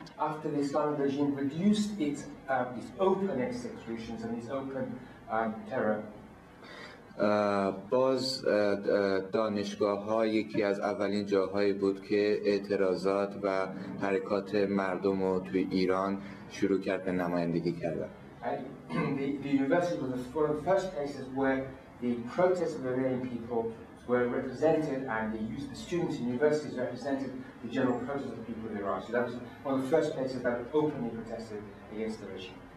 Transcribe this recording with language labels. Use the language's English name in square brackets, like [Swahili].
[English] After the Islamic regime reduced its open executions and its open terror. [Persian] باز دانشگاه ها یکی از اولین جاهایی بود که اعتراضات و حرکات مردم رو توی ایران شروع کرد به نمایندگی کردن. [English] The university was one of the first places where the protests of the Iranian people were represented and the students in universities represented the general protest of the people of Iran. So that was one of the first places that openly protested against the regime.